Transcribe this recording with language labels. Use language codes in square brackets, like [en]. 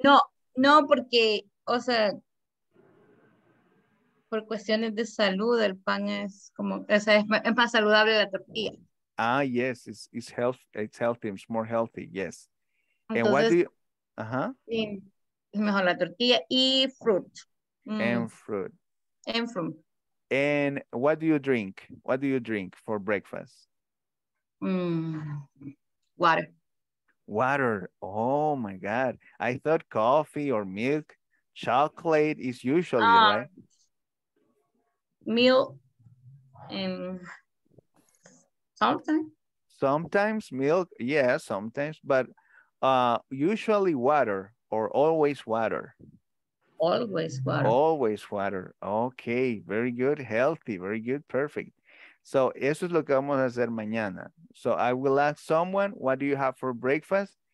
[es] No, no, porque, o sea, por cuestiones de salud, el pan es como, o sea, es más saludable la tortilla. [en] Ah, yes, it's health, it's healthy, it's more healthy, yes. [es] Entonces, [en] and what do you, [es] es mejor la tortilla y fruit. [en] And fruit. And what do you drink? What do you drink for breakfast? Water. Oh my God. I thought coffee or milk, chocolate is usually, right? Milk and sometimes. Sometimes milk, yeah, sometimes, but usually water or always water. Always water. Okay, very good. Healthy, very good. Perfect. [es] So, eso es lo que vamos a hacer mañana. [en] So, I will ask someone, what do you have for breakfast?